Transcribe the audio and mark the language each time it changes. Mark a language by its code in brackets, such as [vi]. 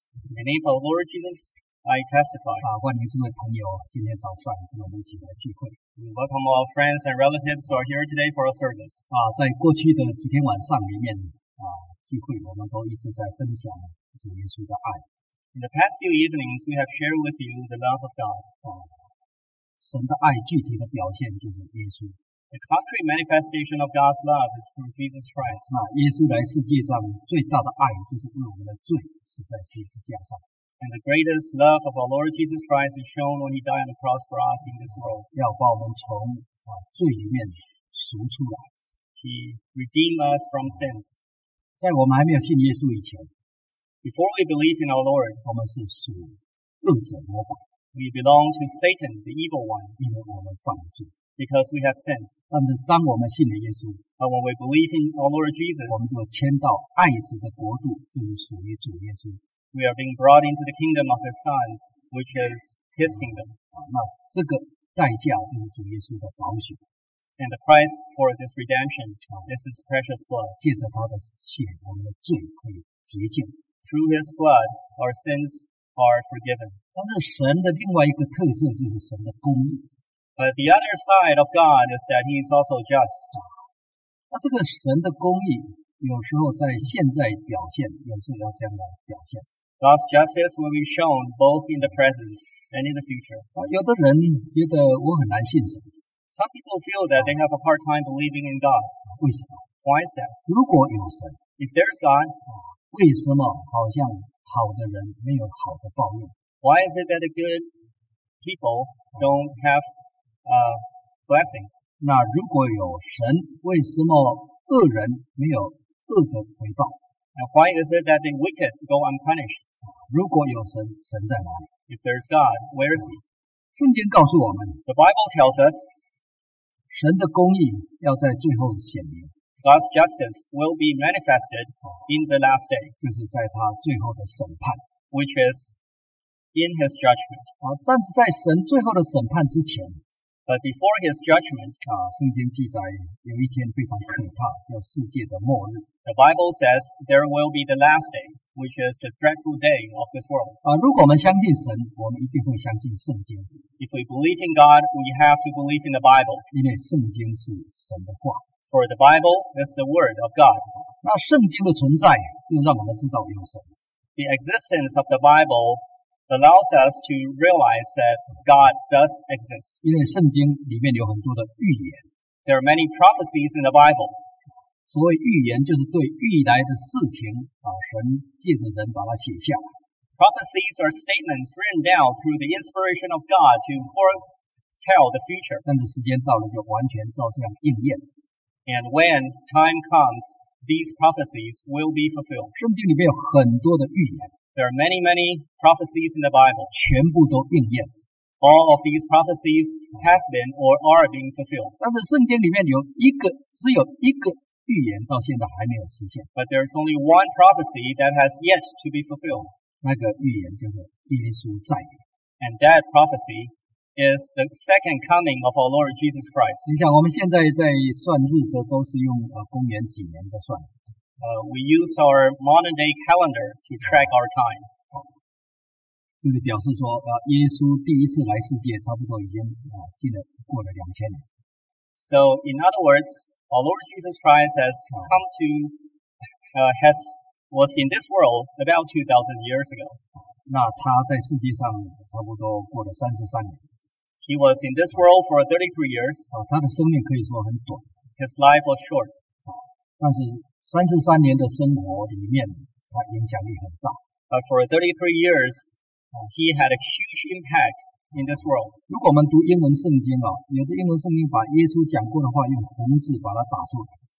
[en] In the name of the Lord Jesus, I testify. [zh] 欢迎诸位朋友今天早上跟我们一起来聚会。 [en] We welcome all friends and relatives who are here today for our service. [zh] 在过去的几天晚上里面聚会我们都一直在分享主耶稣的爱。 [en] In the past few evenings, we have shared with you the love of God. [zh] 神的爱具体的表现就是耶稣。 [en] The concrete manifestation of God's love is through Jesus Christ. [zh] 耶稣来世界上最大的爱就是为我们的罪死在十字架上。 [en] And the greatest love of our Lord Jesus Christ is shown when he died on the cross for us in this world. [zh] 要把我们从罪里面赎出来。 [en] He redeemed us from sins. [zh] 在我们还没有信耶稣以前， [en] Before we believe in our Lord, [zh] 我们是属恶者魔鬼。 [en] We belong to Satan, the evil one. [zh] 因为我们犯罪。 [en] Because we have sinned. [zh] 但是当我们信了耶稣， [en] But when we believe in our Lord Jesus, [zh] 我们就迁到爱子的国度，就是属于主耶稣。 [en] We are being brought into the kingdom of his sons, which is his kingdom. [zh] 那这个代价就是主耶稣的宝血。 [en] And the price for this redemption is his precious blood. [zh] 借着他的血，我们的罪可以洁净。 [en] Through his blood, our sins are forgiven. [zh] 但是神的另外一个特色就是神的公义。 [en] But the other side of God is that he is also just. [zh] 那这个神的公义有时候在现在表现，有时候要将来表现。 [en] God's justice will be shown both in the present and in the future. [zh] 有的人觉得我很难信神。 [en] Some people feel that they have a hard time believing in God. [zh] 为什么？ [en] Why is that? [zh] 如果有神， [en] If there's God, [zh] 为什么好像好的人没有好的报应？ [en] Why is it that the good people don't have blessings. [zh] 那如果有神，为什么恶人没有恶的回报？ [en] And why is it that the wicked go unpunished? [zh] 如果有神，神在哪里？ [en] If there's God, where is he? [zh] 圣经告诉我们， [en] The Bible tells us, [zh] 神的公义要在最后显明。 [en] God's justice will be manifested in the last day. [zh] 就是在他最后的审判。 [en] Which is in his judgment. [zh] 但是在神最后的审判之前， [en] But before his judgment, [zh] 圣经记载有一天非常可怕，叫世界的末日。 [en] The Bible says there will be the last day, which is the dreadful day of this world. [zh] 如果我们相信神，我们一定会相信圣经。 [en] If we believe in God, we have to believe in the Bible. [zh] 因为圣经是神的话。 [en] For the Bible is the word of God. [zh] 那圣经的存在就让我们知道有神。 [en] The existence of the Bible allows us to realize that God does exist. [zh] 因为圣经里面有很多的预言。 [en] There are many prophecies in the Bible. [zh] 所谓预言就是对预来的事情，神借着人把它写下。 [en] Prophecies are statements written down through the inspiration of God to foretell the future. [zh] 但是时间到了就完全照这样应验。 [en] And when time comes, these prophecies will be fulfilled. [zh] 圣经里面有很多的预言。 [en] There are many, many prophecies in the Bible. [zh] 全部都应验。 [en] All of these prophecies have been or are being fulfilled. [zh] 但是圣经里面有一个，只有一个预言到现在还没有实现。 [en] But there is only one prophecy that has yet to be fulfilled. [zh] 那个预言就是耶稣再临。 [en] And that prophecy is the second coming of our Lord Jesus Christ. [zh] 你想我们现在在算日的都是用公元几年在算。 [en] We use our modern day calendar to track our time. [zh] 就是表示说耶稣第一次来世界差不多已经过了2000年。 [en] So, in other words, our Lord Jesus Christ has come to, was in this world about 2000 years ago. [zh] 那他在世界上差不多过了33年。 [en] He was in this world for 33 years. [zh] 他的生命可以说很短。 [en] His life was short. [zh] 但是33年的生活里面他影响力很大。 [en] But for 33 years, he had a huge impact in this world. [zh] 如果我们读英文圣经有的英文圣经把耶稣讲过的话用红字把它打出来。